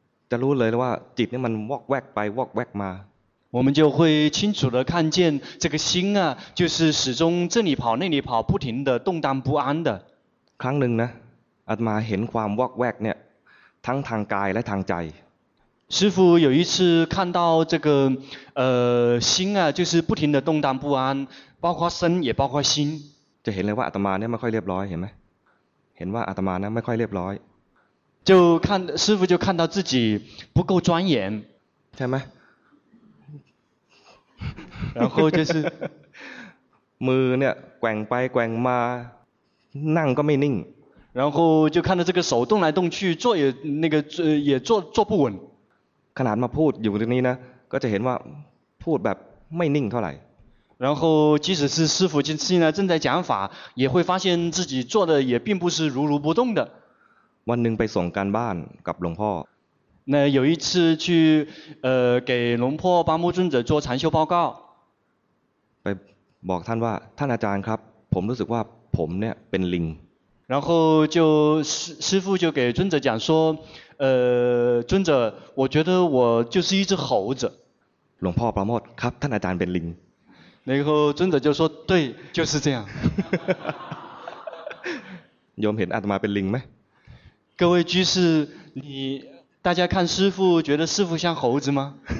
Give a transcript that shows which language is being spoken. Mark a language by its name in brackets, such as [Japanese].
[Thai] จะรู้เลยว่าจิตนี่มันวอกแวกไปวอกแวกมา [Chinese] 我们就会清楚地看见这个心啊就是始终这里跑那里跑不停地动荡不安的 [Thai] ครั้งหนึ่งนะอาตมาเห็นความวอกแวกเนี่ยทั้งทางกายและทางใจ [Chinese] 师父有一次看到这个心啊就是不停地动荡不安包括身也包括心 [Thai] จะเห็นเลยว่าอาตมาเนี่ยไม่ค่อยเรียบร้อยเห็นไหมเห็นว่าอาตมาเนี่ยไม่ค่อยเรียบร้อย [Chinese] 就看师父就看到自己不够庄严 [Thai] ใช่ไหม [Chinese] 然后就是 [Thai] มือเนี่ยแกว่งไปแกว่งมานั่งก็ไม่นิ่ง [Chinese] 然后就看到这个手动来动去坐也那个也坐不稳 [Thai] ขนาดมาพูดอยู่ตรงนี้นะก็จะเห็นว่าพูดแบบไม่นิ่งเท่าไหร่ [Chinese] 然后即使是师父现在正在讲法也会发现自己坐的也并不是如不动的 [Thai] วันหนึ่งไปส่งการบ้านกับหลวงพ่อ [Chinese] 那有一次去给龙婆巴木尊者做禅修报告 [Thai] ไปบอกท่านว่าท่านอาจารย์ครับผมรู้สึกว่าผมเนี่ยเป็นลิง [Chinese] 然后就师父就给尊者讲说尊者我觉得我就是一只猴子 [Thai] หลวงพ่อประโมทครับท่านอาจารย์เป็นลิง [Chinese] 然后尊者就说对就是这样 [Thai] โยมเห็นอาตมาเป็นลิงไหม [Chinese] 各位居士你大家看师父觉得师父像猴子吗